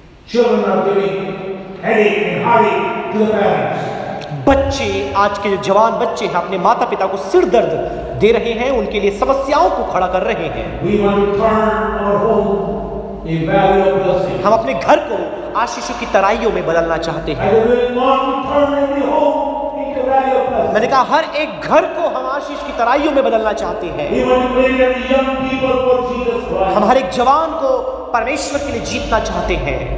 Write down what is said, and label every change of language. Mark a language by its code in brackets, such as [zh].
[en] Children are giving headache and heartache to the parents. [hi] बच्चे, आज के जो जवान बच्चे हैं, अपने माता पिता को सिर दर्द दे रहे हैं, उनके लिए समस्याओं को खड़ा कर रहे हैं। [en] We want to turn our home a valley of blessing. [hi] हम अपने घर को आशीषों की तराइयों में बदलना चाहते हैं। [en] I will not turn any home into a valley of blessing. [hi] मैंने कहा हर एक घर को हम आशीष की तराइयों में बदलना चाहते हैं। [en] We want to bring every young people for Jesus Christ. [hi] हम हर एक जवान को परमेश्वर के लिए जीतना चाहते हैं।